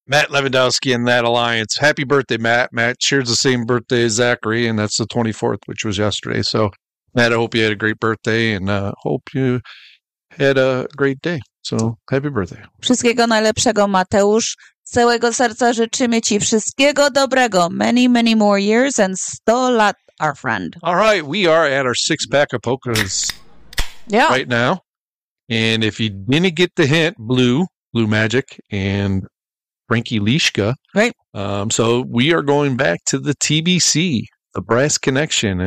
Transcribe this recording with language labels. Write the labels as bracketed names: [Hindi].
[English] Lewandowski and that Alliance. Happy birthday, Matt. Matt shares the same birthday as Zachary, and that's the 24th, which was yesterday. So, Matt, I hope you had a great birthday, and hope you had a great day. So, happy birthday. [Polish] Wszystkiego najlepszego, Mateusz. Całego serca życzymy ci wszystkiego dobrego. [English] Many, many more years and 100 lat, our friend. All right, we are at our six-pack of polkas right now. And if you didn't get the hint, Blue Magic, and Frankie Lishka. Right. So we are going back to the TBC, the Brass Connection.